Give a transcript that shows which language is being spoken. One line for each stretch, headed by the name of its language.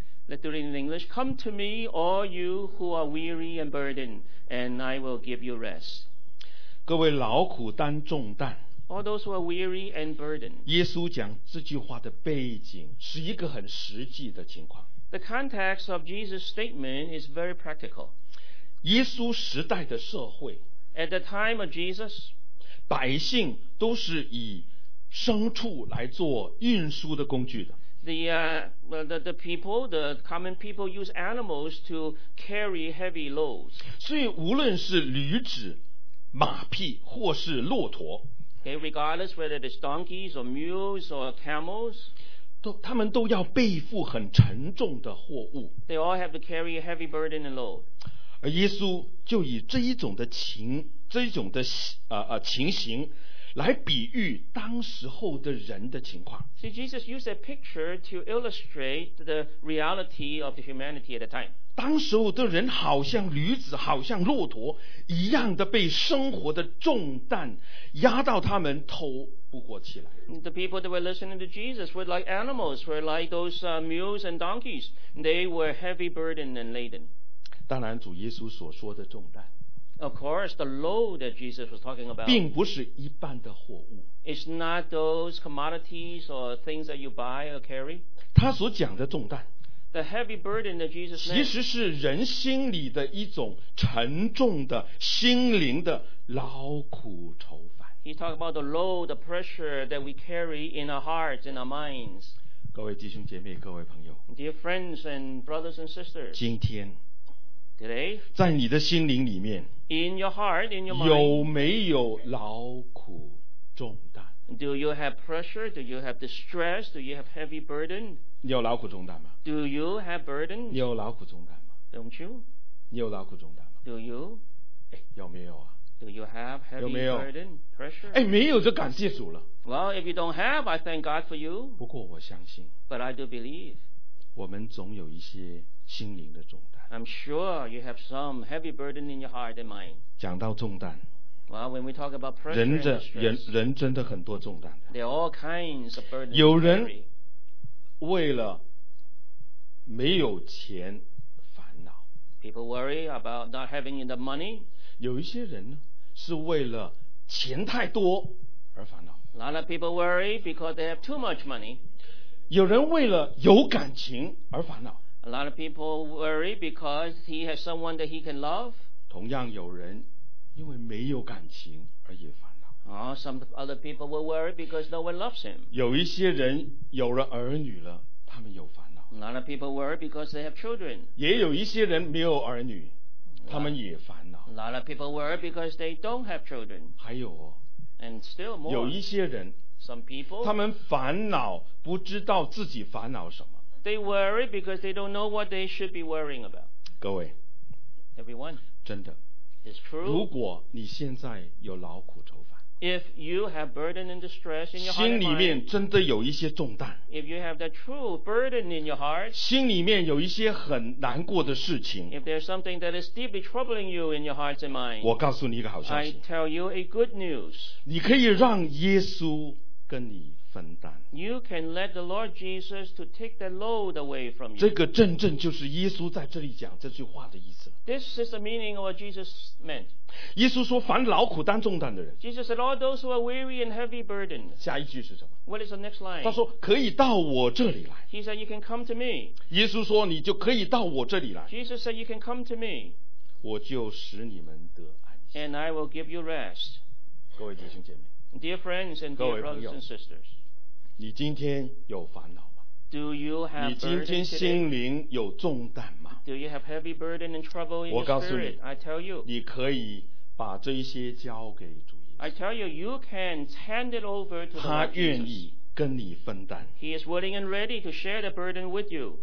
English: Let's do it in English Come to me all you who are weary and burdened and I will give you rest
Chinese: 各位劳苦担重担
English: All those who are weary and burdened
Chinese: 耶稣讲这句话的背景是一个很实际的情况
English: The context of Jesus' statement is very practical.
Chinese: 耶稣时代的社会
English: At the time of Jesus,
Chinese: 百姓都是以牲畜来做运输的工具的。
English: The common people use animals to carry heavy loads.
Chinese: 所以无论是驴子、马匹或是骆驼
English: Okay, regardless whether it is donkeys or mules or camels,
Chinese: 他们都要背负很沉重的货物
English: They all have to carry a heavy burden and load.
Chinese: 而耶稣就以这一种的情这一种的、情形来比喻当时候的人的情况
English: See, Jesus used a picture to illustrate the reality of the humanity at the time
Chinese: 当时候的人好像驴子好像骆驼一样的被生活的重担压到他们头不过起来。
English: The people that were listening to Jesus were like animals, were like those、mules and donkeys. They were heavy burdened and laden.
Chinese: 当然，主耶稣所说的重担
English: ，Of course, the load that Jesus was talking about,
Chinese: 并不是一般的货物。
English: It's not those commodities or things that you buy or carry.
Chinese: 他所讲的重担
English: ，The heavy burden that Jesus
Chinese: 其实是人心里的一种沉重的心灵的劳苦愁烦。
English: He talked about the load, the pressure that we carry in our hearts, in our minds.
Chinese: 各位弟兄姐妹，各位朋友。
English: Dear friends and brothers and sisters.
Chinese: 今天。
English: Today.
Chinese: 在你的心灵里面。
English: In your heart, in your mind.
Chinese: 有没有劳苦重担
English: ？Do you have pressure? Do you have distress? Do you have heavy burden?
Chinese: 你有劳苦重担吗
English: ？Do you have burden?
Chinese: 你有劳苦重担吗
English: ？Don't you?
Chinese: 你有劳苦重担吗
English: ？Do you?
Chinese: 有没有啊？
English: Do you have heavy
Chinese: 有没有
English: burden, pressure?
Chinese: 哎，没有就感谢主了。
English: Well, if you don't have, I thank God for you.
Chinese: 不过我相信。
English: But I do believe.
Chinese: 我们总有一些心灵的重担。
English: I'm sure you have some heavy burden in your heart and mind.
Chinese: 讲到重担。
English: Well, when we talk about pressure,
Chinese: 人真的很多重担。
English: There are all kinds of burdens.
Chinese: 有人为了没有钱烦恼。
English: People worry about not having enough money.
Chinese: 有一些人呢。是为了钱太多而烦恼。
English: A lot of people worry because they have too much money.
Chinese: 有人为了有感情而烦恼。
English: A lot of people worry because he has someone that he can love.
Chinese: 同样有人因为没有感情而也烦恼。
English: Some other people will worry because no one loves him.
Chinese: 有一些人有了儿女了他们有烦恼。
English: A lot of people worry because they have children.
Chinese: 也有一些人没有儿女他们也烦恼。
English: A lot of people worry because they don't have children.
Chinese: 还有哦。
English: And still more.
Chinese: 有一些人。
English: Some people.
Chinese: 他们烦恼不知道自己烦恼什么。
English: They worry because they don't know what they should be worrying about.
Chinese: 各位。
English: Everyone.
Chinese: 真的。
English: It's true.
Chinese: 如果你现在有劳苦愁烦。
English: If you have burden and distress in your heart,
Chinese: 心里面真的有一些重担。
English: If you have the true burden in your heart,
Chinese: 心里面有一些很难过的事情。
English: If there's something that is deeply troubling you in your heart and mind,
Chinese: 我告诉你一个好消息。
English: I tell you a good news.
Chinese: 你可以让耶稣跟你分担。
English: You can let the Lord Jesus to take that load away from you.
Chinese: 这个真正就是耶稣在这里讲这句话的意思。
English: This is the meaning of what Jesus meant.
Chinese: 耶稣说凡劳苦担重担的人，
English: Jesus said all those who are weary and heavy burdened.
Chinese: 下一句是什么？
English: What is the next line?
Chinese: 他说可以到我这里来。
English: He said you can come to me.
Chinese: 耶稣说你就可以到我这里来。
English: Jesus said you can come to me.
Chinese: 我就使你们得安息。
English: And I will give you rest.
Chinese: 各位弟兄姐妹，
English: Dear friends and dear brothers and sisters.
Chinese: 你今天有烦恼吗？
English: Do you have burden today?
Chinese: 你今天心灵有重担吗？
English: Do you have heavy burden and trouble in your spirit?
Chinese: 我告诉你，
English: I tell you,
Chinese: 你可以把这些交给主耶稣。
English: I tell you, you can hand it over to the Lord Jesus.
Chinese: 他愿意跟你分担。
English: He is willing and ready to share the burden with you.